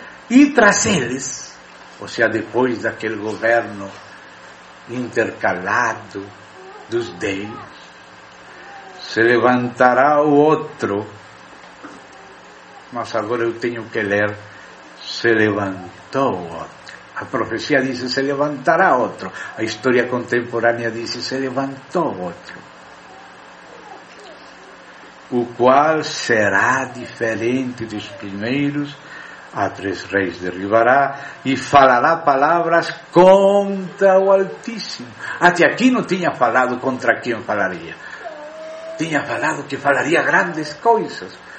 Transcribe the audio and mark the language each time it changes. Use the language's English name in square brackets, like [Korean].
[Portuguese] E tras eles, ou seja, depois daquele governo intercalado dos 10, se levantará o outro, mas agora eu tenho que ler, [Spanish] se levantó otro. A profecía dice se levantará otro. A historia contemporánea dice se levantó otro. [Portuguese] O qual será diferente dos primeiros, a três reis derribará e falará palavras contra o Altíssimo. Até aqui não tinha falado contra quem falaria. Tinha falado que falaria grandes coisas.